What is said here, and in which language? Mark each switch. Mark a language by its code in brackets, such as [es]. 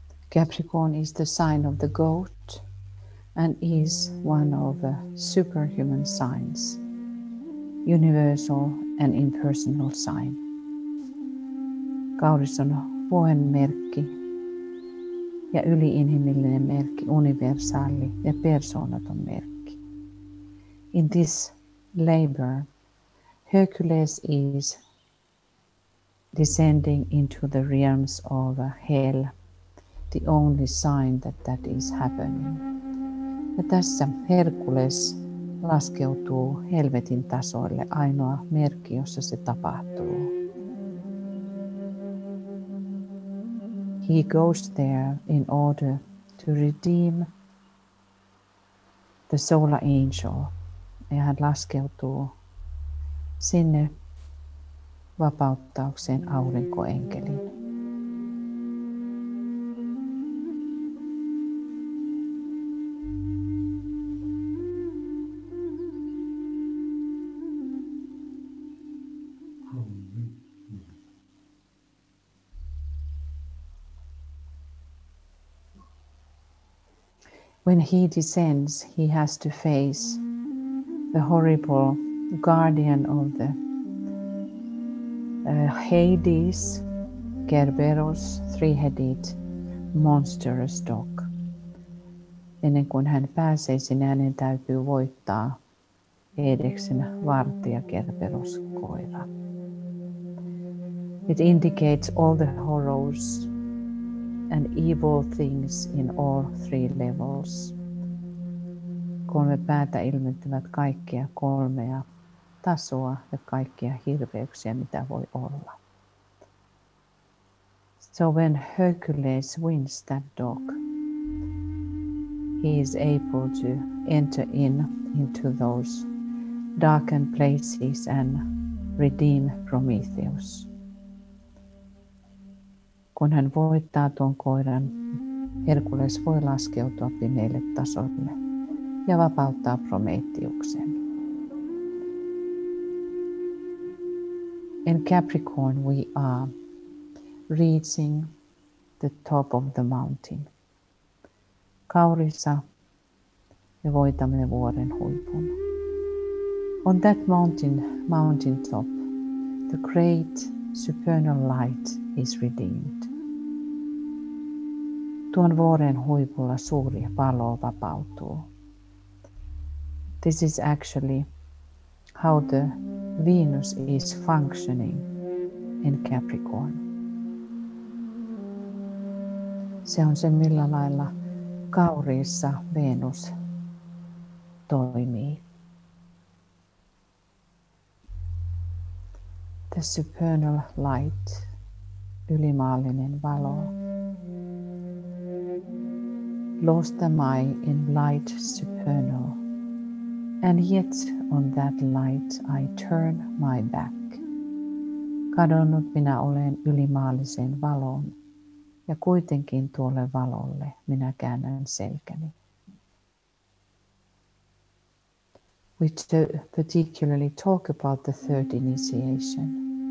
[en] Capricorn is the sign of the goat and is one of the superhuman signs, universal and impersonal sign. [fi] Kauris on vuoden merkki ja yliinhimillinen merkki, universaali ja persoonaton merkki. [en] In this labor, Hercules is descending into the realms of hell, the only sign that is happening. [fi] Ja tässä Herkules laskeutuu helvetin tasoille, ainoa merkki, jossa se tapahtuu. [en] He goes there in order to redeem the solar angel. [fi] Ja hän laskeutuu sinne vapauttaukseen aurinkoenkelin. [en] When he descends, he has to face the horrible guardian of the Hades, Kerberos, three-headed monstrous dog. [fi] Ennen kuin hän pääsee sinne, hänen täytyy voittaa Hadeksen vartija Kerberos koira. [en] It indicates all the horrors and evil things in all three levels. [fi] Kolme päätä ilmentävät kaikkia kolmea tasoa ja kaikkia hirveyksiä, mitä voi olla. [en] So when Hercules wins that dog, he is able to enter into those darkened places and redeem Prometheus. [fi] Kun hän voittaa tuon koiran, Herkules voi laskeutua pimeille tasoille ja vapauttaa Prometheuksen. [en] In Capricorn we are reaching the top of the mountain. [fi] Kaurissa me voitamme vuoren huipun. [en] On that mountain top, the great supernal light is redeemed. [fi] Tuon vuoren huipulla suuri valo vapautuu. [en] This is actually how the Venus is functioning in Capricorn. [fi] Se on se, millä lailla Kauriissa Venus toimii. [en] The supernal light, [fi] ylimaallinen valo. [en] Lost am I in light supernal, and yet on that light I turn my back. [fi] Kadonnut minä olen ylimaalliseen valoon, ja kuitenkin tuolle valolle minä käännän selkäni. [en] We particularly talk about the third initiation.